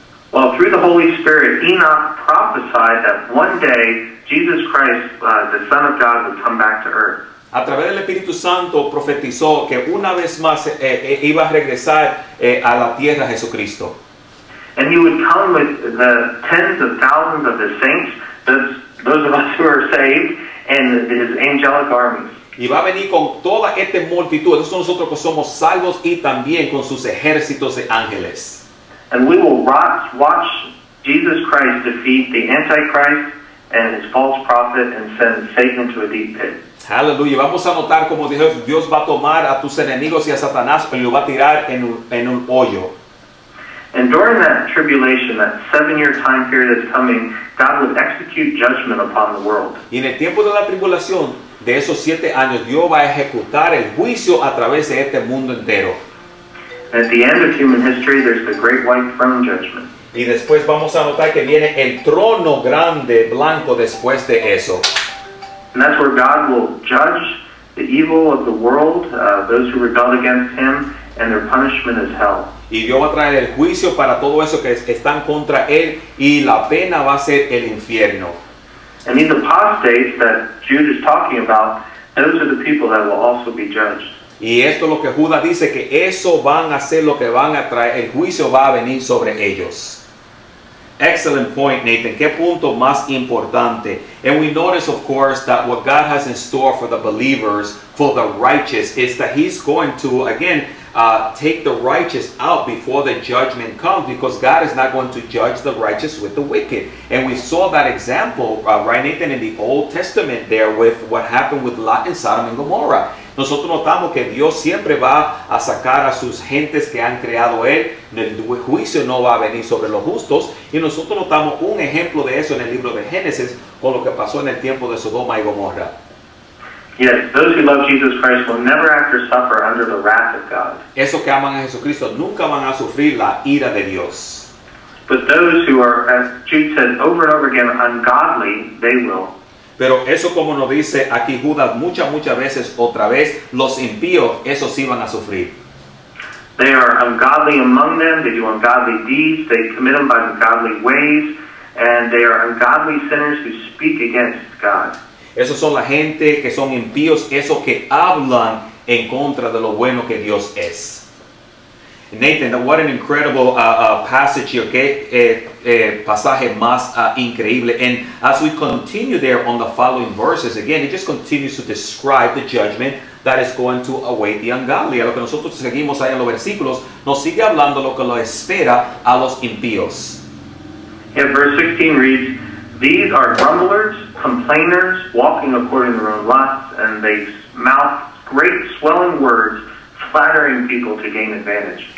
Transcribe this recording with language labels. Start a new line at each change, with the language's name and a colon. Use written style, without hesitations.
English: Well, through the Holy Spirit, Enoch prophesied that one day Jesus Christ, the Son of God, would come back to earth.
Spanish: A través del Espíritu Santo profetizó que una vez más iba a regresar a la tierra Jesucristo.
English: And he would come with the tens of thousands of the saints, those of us who are saved, and his angelic armies.
Spanish: Y va a venir con toda esta multitud, esos son nosotros que somos salvos, y también con sus ejércitos de ángeles.
English: And we will watch Jesus Christ defeat the Antichrist and his false prophet and send Satan to a deep pit. Hallelujah.
Spanish: Vamos a notar como Dios va a tomar a tus enemigos y a Satanás y lo va a tirar en un hoyo.
English: And during that tribulation, that 7-year time period that's coming, God would execute judgment upon the world.
Spanish: Y en el tiempo de la tribulación, de esos 7 años, Dios va a ejecutar el juicio a través de este mundo entero.
English: At the end of human history, there's the great white throne judgment.
Spanish: Y después vamos a notar que viene el trono grande blanco después de eso.
English: And that's where God will judge the evil of the world, those who rebel against him, and their punishment is hell.
Spanish: Y Dios va a traer el juicio para todo eso que están contra él, y la pena va a ser el infierno.
English: And these apostates that Jude is talking about, those are the people that will also be judged.
Spanish: Y esto es lo que Judas dice, que eso van a ser lo que van a traer, el juicio va a venir sobre ellos.
English: Excellent point, Nathan.
Spanish: ¿Qué punto más importante?
English: And we notice, of course, that what God has in store for the believers, for the righteous, is that he's going to, again, take the righteous out before the judgment comes, because God is not going to judge the righteous with the wicked. And we saw that example, right, Nathan, in the Old Testament there with what happened with Lot and Sodom and Gomorrah.
Spanish: Nosotros notamos que Dios siempre va a sacar a sus gentes que han creado él. El juicio no va a venir sobre los justos. Y nosotros notamos un ejemplo de eso en el libro de Génesis con lo que pasó en el tiempo de Sodoma y Gomorra.
English: Yes, those who love Jesus Christ will never have to suffer under the wrath of God.
Spanish: Esos que aman a Jesucristo nunca van a sufrir la ira de Dios.
English: But those who are, as Jude said over and over again, ungodly, they will.
Spanish: Pero eso, como nos dice aquí Judas muchas, muchas veces otra vez, los impíos, esos sí van a sufrir.
English: They are ungodly among them, they do ungodly deeds, they commit them by ungodly ways, and they are ungodly sinners who speak against God.
Spanish: Esos son la gente que son impíos, esos que hablan en contra de lo bueno que Dios es.
English: Nathan, what an incredible passage here, okay?
Spanish: Pasaje más increíble.
English: And as we continue there on the following verses, again, it just continues to describe the judgment that is going to await the ungodly.
Spanish: A lo que nosotros seguimos ahí en los versículos, nos sigue hablando lo que lo espera a los impíos.
English: Yeah, verse 16 reads, "These are grumblers, complainers, walking according to their own lusts, and they mouth great swelling words, flattering people to gain advantage."